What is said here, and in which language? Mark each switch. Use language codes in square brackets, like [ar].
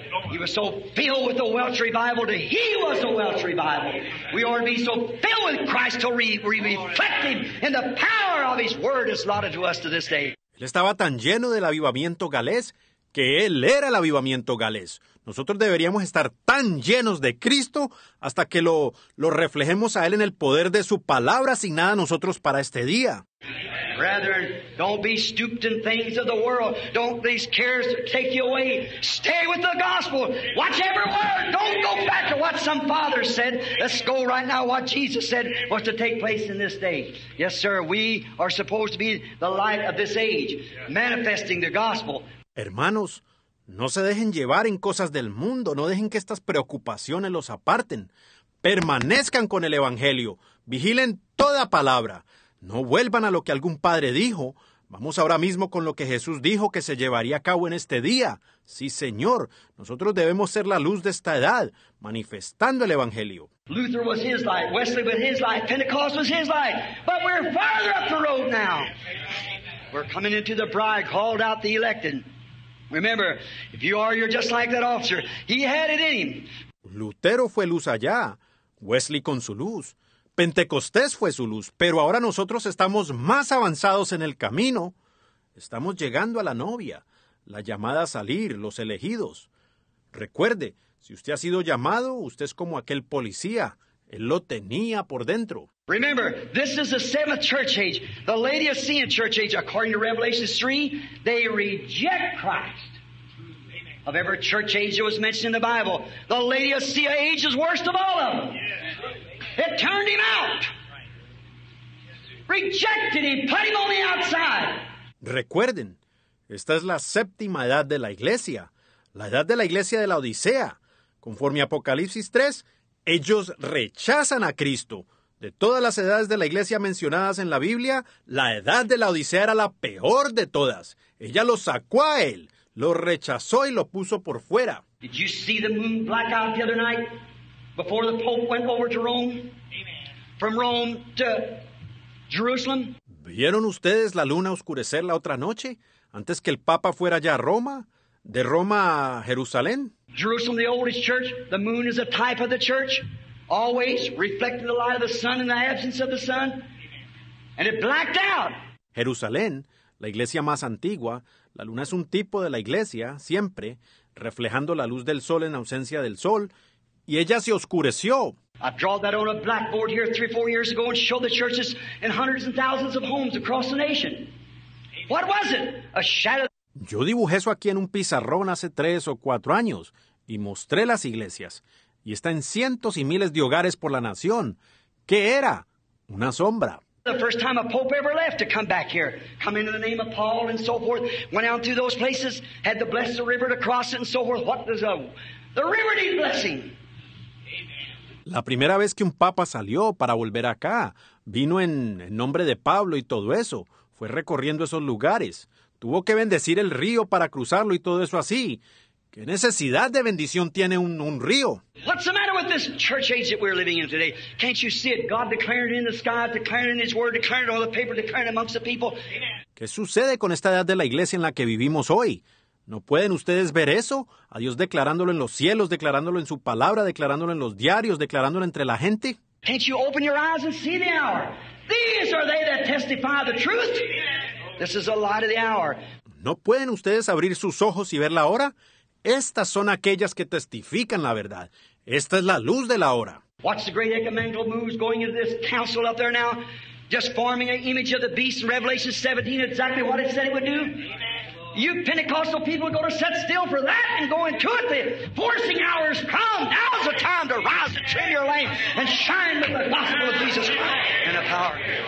[en] He was so filled with the Welch Revival that he was the Welch Revival. We ought to be so filled with Christ to reflect him in the power of his word is allotted to us to this day. [es] Él estaba tan lleno del avivamiento galés que él era el avivamiento galés. Nosotros deberíamos estar tan llenos de Cristo hasta que lo reflejemos a él en el poder de su palabra asignada a nosotros para este día. [en] Brethren, don't be stooped in things of the world. Don't these cares take you away. Stay with the gospel. Watch every word. Don't go back to what some father said. Let's go right now what Jesus said was to take place in this day. Yes, sir, we are supposed to be the light of this age, manifesting the gospel. [es] Hermanos, no se dejen llevar en cosas del mundo. No dejen que estas preocupaciones los aparten. Permanezcan con el evangelio. Vigilen toda palabra. No vuelvan a lo que algún padre dijo. Vamos ahora mismo con lo que Jesús dijo que se llevaría a cabo en este día. Sí, Señor, nosotros debemos ser la luz de esta edad, manifestando el evangelio. [en] Luther was his light, Wesley was his light, Pentecost was his light, but we're farther up the road now. We're coming into the bride, called out the elected. Remember, if you are, you're just like that officer. He had it in him. [es] Lutero fue luz allá, Wesley con su luz. Pentecostés fue su luz, pero ahora nosotros estamos más avanzados en el camino. Estamos llegando a la novia, la llamada a salir, los elegidos. Recuerde, si usted ha sido llamado, usted es como aquel policía. Él lo tenía por dentro. [en] Remember, this is the seventh church age, the Laodicean church age. According to Revelation 3, they reject Christ. Of every church age that was mentioned in the Bible, the Laodicea age is worst of all of them. It turned him out. Rejected him. Put him on the outside. [es] Recuerden, esta es la séptima edad de la iglesia, la edad de la iglesia de la Odisea. Conforme a Apocalipsis 3, ellos rechazan a Cristo. De todas las edades de la iglesia mencionadas en la Biblia, la edad de la Odisea era la peor de todas. Ella lo sacó a él, lo rechazó y lo puso por fuera. [en] Did you see the moon black out the other night? Before the Pope went over to Rome, amen. From Rome to Jerusalem. [es] ¿Vieron ustedes la luna oscurecer la otra noche, antes que el Papa fuera allá a Roma, de Roma a Jerusalén? [en] Jerusalem, the oldest church, the moon is a type of the church, always reflecting the light of the sun in the absence of the sun, and it blacked out. [es] Jerusalén, la iglesia más antigua, la luna es un tipo de la iglesia, siempre, reflejando la luz del sol en ausencia del sol, y ella se oscureció. [en] I drew that on a blackboard here 3 or 4 years ago and showed the churches in hundreds and thousands of homes across the nation. What was it? A shadow. [es] Yo dibujé eso aquí en un pizarrón hace 3 o 4 años y mostré las iglesias. Y está en cientos y miles de hogares por la nación. ¿Qué era? Una sombra. [en] The first time a pope ever left to come back here. Come in the name of Paul and so forth. Went out to those places, had to bless the river to cross it and so forth. What was the river need blessing? [es] La primera vez que un papa salió para volver acá, vino en nombre de Pablo y todo eso. Fue recorriendo esos lugares. Tuvo que bendecir el río para cruzarlo y todo eso así. ¿Qué necesidad de bendición tiene un río? [en] What's the matter with this church age that we're living in today? Can't you see it? God declaring it in the sky, declaring it in his word, declaring it on the paper, declaring it amongst the people. [es] ¿Qué sucede con esta edad de la iglesia en la que vivimos hoy? ¿No pueden ustedes ver eso? A Dios declarándolo en los cielos, declarándolo en su palabra, declarándolo en los diarios, declarándolo entre la gente. [en] Can't you open your eyes and see the hour? These are they that testify the truth. This is the light of the hour. [es] ¿No pueden ustedes abrir sus ojos y ver la hora? Estas son aquellas que testifican la verdad. Esta es la luz de la hora. [en] Watch the great ecumenical moves going into this council up there now, just forming an image of the beast in Revelation 17, exactly what it said it would do. You Pentecostal people are going to sit still for that and go into it. The forcing hour has come. Now's the time to rise and trim your lamp and shine with the gospel of Jesus Christ and the power.